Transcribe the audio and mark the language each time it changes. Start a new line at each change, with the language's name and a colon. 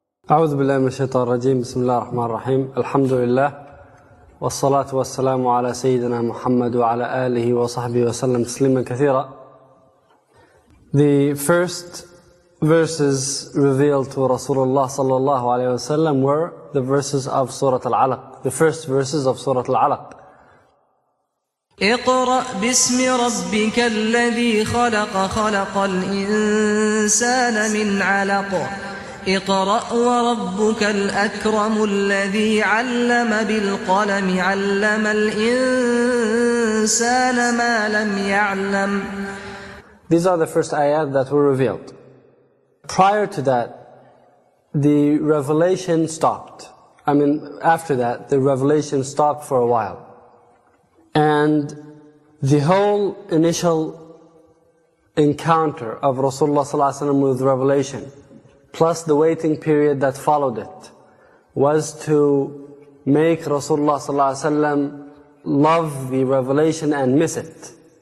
Arabic: أعوذ بالله من الشيطان الرجيم بسم الله الرحمن الرحيم الحمد لله والصلاة والسلام على سيدنا محمد وعلى آله وصحبه وسلم تسليما كثيرا.
English: The first verses revealed to Rasulullah sallallahu alayhi wa sallam were the verses of Surah Al-Alaq, the first verses of Surah Al-Alaq.
Arabic: اقرأ باسم ربك الذي خلق خلق الإنسان من علق اقرأ وربك الأكرم الذي علم بالقلم علم الإنسان ما لم يعلم.
English: These are the first ayat that were revealed. Prior to that, the revelation stopped. After that, the revelation stopped for a while. And the whole initial encounter of Rasulullah sallallahu alaihi wasallam with revelation, plus the waiting period that followed it, was to make Rasulullah sallallahu alaihi wasallam love the revelation and miss it.